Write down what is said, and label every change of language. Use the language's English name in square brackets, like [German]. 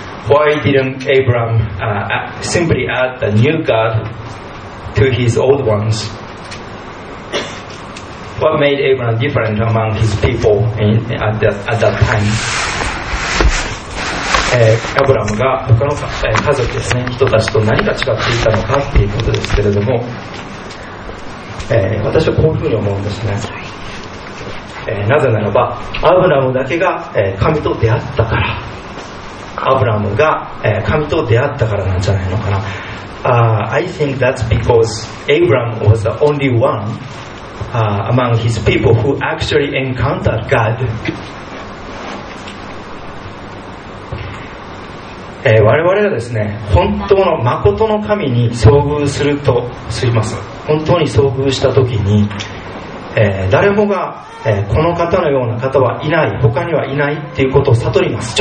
[English] Why didn't Abraham simply add the new God to his old ones? What made Abraham different among his people at that time? [Japanese] アブラムが他の家族ですね、人たちと何が違っていたのかっていうことですけれども、私はこういうふうに思うんですね。なぜならばアブラムだけが神と出会ったから、アブラムが神と出会ったからなんじゃないのかな。 [English] I think that's because Abraham was the only one among his people who actually encountered God. [Japanese] 我々がですね、本当の誠の神に遭遇するとすります、本当に遭遇した時に、誰もが、この方のような方はいない、他にはいないっていうことを悟ります。